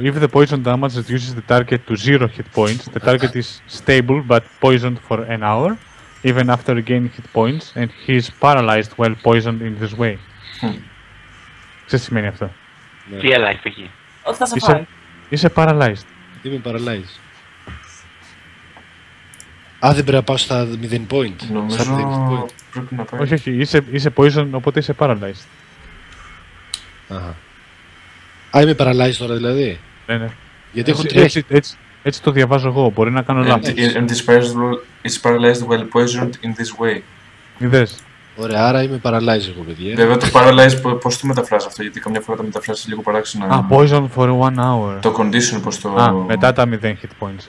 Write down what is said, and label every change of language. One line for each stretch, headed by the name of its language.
English: If the poison damage reduces the target to 0 hit points, the target is stable but poisoned for an hour, even after regaining hit points, and he is paralyzed while poisoned in this way.
Greek: Ξέρεις τι σημαίνει αυτό. Τι έλα, έχει πήγει. Ότι θα σε πάει. Είσαι paralyzed. Είμαι paralyzed. Α, δεν πρέπει να πάω στα 0 points. Νομίζω πρέπει να πάει. Όχι, όχι. Είσαι poisoned, οπότε είσαι paralyzed. Α, είμαι paralyzed τώρα δηλαδή. Ναι, ναι. Γιατί έχω τρία. Έτσι το διαβάζω εγώ. Μπορεί να κάνω λάθος.
English: And is paralyzed while poisoned in this way.
Greek: Είδες. Ωραία, άρα είμαι paralyzed εγώ, παιδιά. Βέβαια, το paralyzed πώς το μεταφράζει αυτό, γιατί καμιά φορά το μεταφράζει λίγο παράξενα.
English: Α, poisoned for one hour.
Greek: Το condition πώς το. Α, μετά τα 0 hit points.